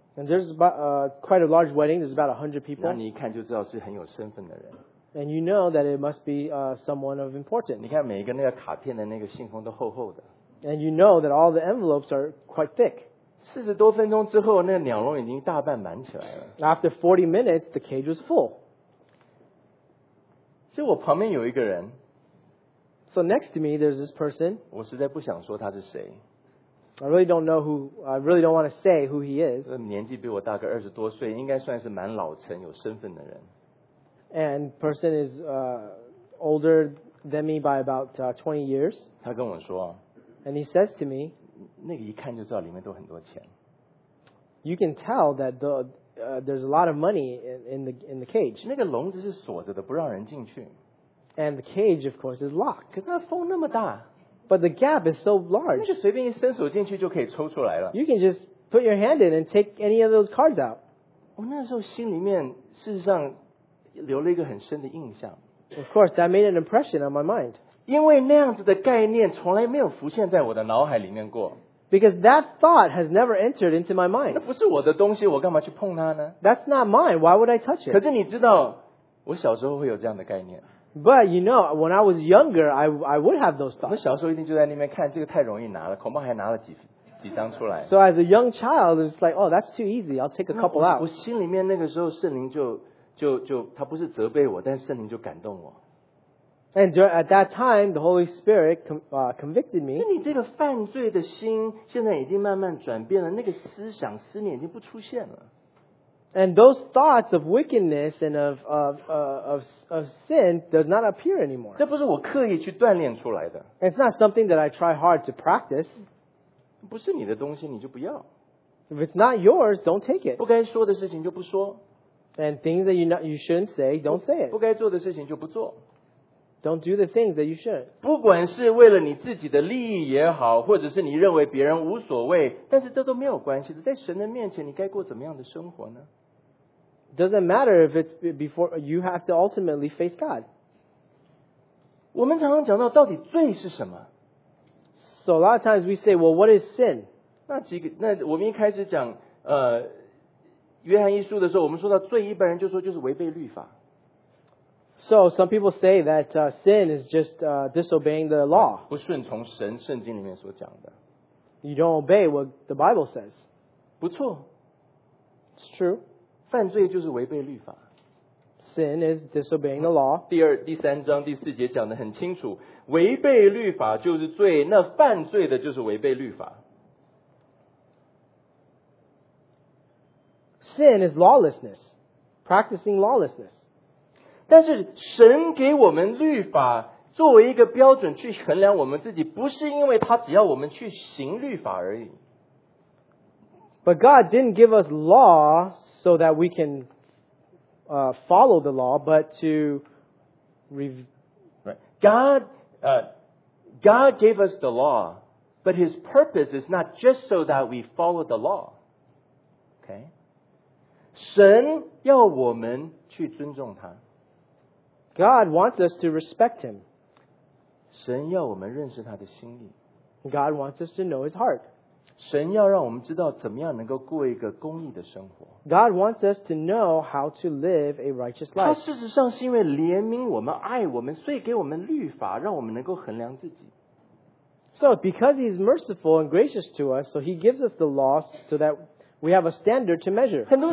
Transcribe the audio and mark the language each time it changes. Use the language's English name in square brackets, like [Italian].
[English] And there's about quite a large wedding. There's about 100 people. [Chinese] 那你一看就知道是很有身份的人。 [English] And you know that it must be someone of importance. [Chinese] 你看每一个那个卡片的那个信封都厚厚的。 [English] And you know that all the envelopes are quite thick. [Chinese] 四十多分钟之后，那个鸟笼已经大半满起来了。 [English] After 40 minutes, the cage was full. [Chinese] 所以我旁边有一个人。 [English] So next to me, there's this person. [Chinese] 我实在不想说他是谁。 [English] I really don't want to say who he is. [Chinese] 年纪比我大个二十多岁，应该算是蛮老成、有身份的人。 [English] And person is older than me by about 20 years. [Chinese] 他跟我说。 [English] And he says to me, [Chinese] 那个一看就知道里面都很多钱。 [English] You can tell that there's a lot of money in the cage. [Chinese] 那个笼子是锁着的，不让人进去。 [English] And the cage, of course, is locked. [Chinese] 可是那缝那么大。 [English] But the gap is so large. [Chinese] 那就随便一伸手进去就可以抽出来了。 [English] You can just put your hand in and take any of those cards out. [Chinese] 我那时候心里面事实上留了一个很深的印象。 [English] Of course, that made an impression on my mind. [Chinese] 因为那样子的概念从来没有浮现在我的脑海里面过。 [English] Because that thought has never entered into my mind. [Chinese] 那不是我的东西，我干嘛去碰它呢 [English] ？That's not mine. Why would I touch it? [Chinese] 可是你知道，我小时候会有这样的概念。 [English] But you know, when I was younger, I would have those thoughts. [Chinese] 我小时候一定就在那边看，这个太容易拿了，恐怕还拿了几张出来。 [English] So as a young child, it's like, oh, that's too easy. I'll take a couple out. [Chinese] 我心里面那个时候，圣灵就他不是责备我，但圣灵就感动我。 [English] And at that time, the Holy Spirit convicted me. [Chinese] 你这个犯罪的心现在已经慢慢转变了，那个思想思念已经不出现了。 [English] And those thoughts of wickedness and of sin does not appear anymore. [Chinese] 这不是我刻意去锻炼出来的。 [English] It's not something that I try hard to practice. [Chinese] 不是你的东西，你就不要。 [English] If it's not yours, don't take it. [Chinese] 不该说的事情就不说。 [English] And things that you shouldn't say, don't say it. [Chinese] 不该做的事情就不做。 [English] Don't do the things that you should. [Chinese] 不管是为了你自己的利益也好，或者是你认为别人无所谓，但是这都没有关系的。在神的面前，你该过怎么样的生活呢 [English] ？Doesn't matter if it's before you have to ultimately face God. [Chinese] 我们常常讲到，到底罪是什么 [English] ？So a lot of times we say, well, what is sin? [Chinese] 那我们一开始讲约翰一书的时候，我们说到罪，一般人就说就是违背律法。 [English] So some people say that sin is just disobeying the law. [Chinese] 不顺从神圣经里面所讲的。 [English] You don't obey what the Bible says. [Chinese] 不错。 [English] It's true. [Chinese] 犯罪就是违背律法。 [English] Sin is disobeying the law. [Chinese] 第三章第四节讲得很清楚，违背律法就是罪，那犯罪的就是违背律法。 [English] Sin is lawlessness, practicing lawlessness. [Chinese] 但是神给我们律法作为一个标准去衡量我们自己，不是因为他只要我们去行律法而已。 [English] But God didn't give us law so that we can follow the law, but to God gave us the law, but His purpose is not just so that we follow the law. Okay? [Chinese] 神要我们去尊重他. [English] God wants us to respect Him. [Chinese] 神要我们认识他的心意. [English] God wants us to know His heart. [Chinese] 神要让我们知道怎么样能够过一个公义的生活. [English] God wants us to know how to live a righteous life. [Chinese] 他事实上是因为怜悯我们，爱我们，所以给我们律法，让我们能够衡量自己. [English] So because He's merciful and gracious to us, so He gives us the law so that we have a standard to measure.